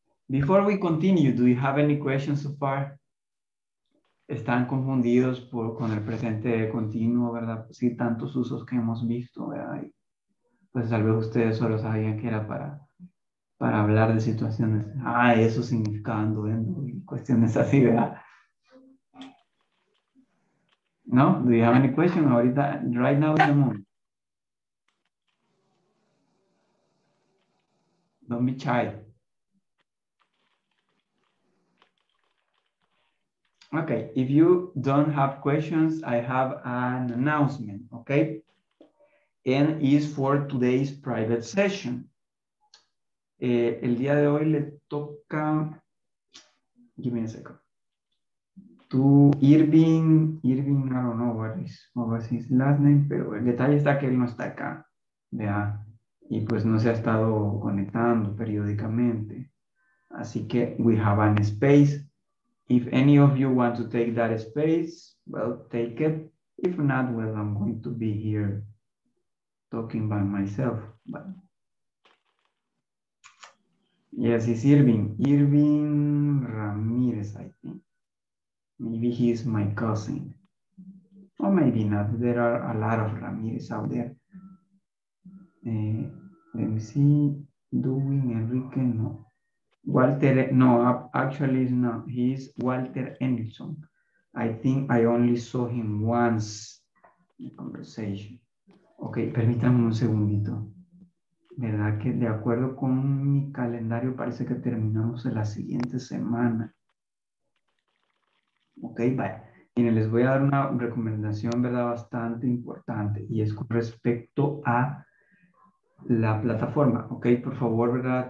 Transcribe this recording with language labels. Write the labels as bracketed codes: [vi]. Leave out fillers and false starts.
[en] Before we continue, do you have any questions so far? [es] Están confundidos por, con el presente continuo, ¿verdad? Sí, tantos usos que hemos visto, ¿verdad? Pues tal vez ustedes solo sabían que era para hablar de situaciones. Ah, eso significando, ¿no? Y cuestiones así, ¿verdad? [en] ¿No? Do you have any question [es] ahorita? [en] Right now in the moment. Don't be shy. Okay, if you don't have questions, I have an announcement, okay? And it's for today's private session. [es] El día de hoy le toca, [en] give me a second, to Irving, I don't know what is his last name, [es] pero el detalle está que él no está acá, ¿verdad? Y pues no se ha estado conectando periódicamente. Así que [en] we have an space. If any of you want to take that space, well, take it. If not, well, I'm going to be here talking by myself. But yes, it's Irving. Irving Ramirez, I think. Maybe he's my cousin. Or maybe not. There are a lot of Ramirez out there. Let me see. Doing Enrique, no. Walter, no, actually it's not. He's Walter Anderson. I think I only saw him once in the conversation. [es] Okay, permítanme un segundito. ¿Verdad que de acuerdo con mi calendario parece que terminamos en la siguiente semana? Okay, bye. Miren, les voy a dar una recomendación, ¿verdad? Bastante importante y es con respecto a la plataforma, ok, por favor, ¿verdad?